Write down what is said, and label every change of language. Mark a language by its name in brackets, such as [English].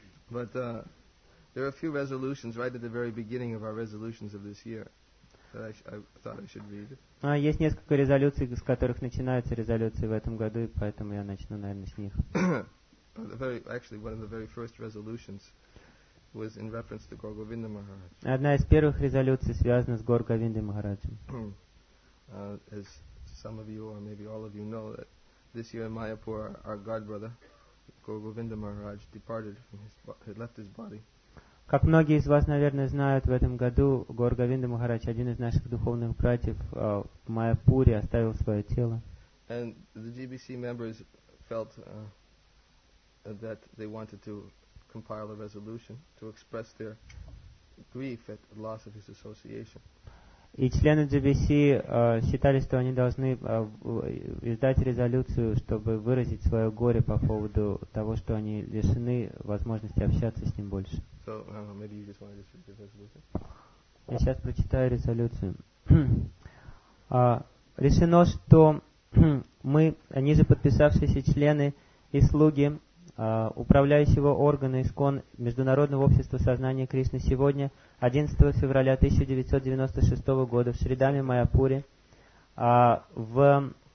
[English] But there are a few resolutions right at the very beginning of our resolutions of this year that I thought I should read. [Russian] Есть несколько резолюций, с которых начинаются резолюции в этом году, и поэтому я начну, наверное, с них. [English] Actually, one of the very first resolutions was in reference to Gaur Govind Maharaj. [Russian] Одна из первых резолюций связана с Гаур Говиндой Махараджем. [English] As some of you or maybe all of you know, that this year in Mayapur, our god brother Гаур Говинда Махарадж departed from his left his body. [Russian] Как многие из вас, наверное, знают, в этом году Гаур Говинда Махарадж, один из наших духовных братьев в Майяпуре, оставил свое тело. [English] And the GBC members felt that they wanted to compile a resolution to express their grief at the loss of his association. [Russian] И члены GBC считали, что они должны издать резолюцию, чтобы выразить свое горе по поводу того, что они лишены возможности общаться с ним больше. [English] So, maybe you just want to just read the resolution. [Russian] Я сейчас прочитаю резолюцию. Решено, что мы, ниже подписавшиеся члены и слуги, управляющего органа ИСКОН Международного общества сознания Кришны сегодня, 11 февраля 1996 года в Шридаме Майяпуре, в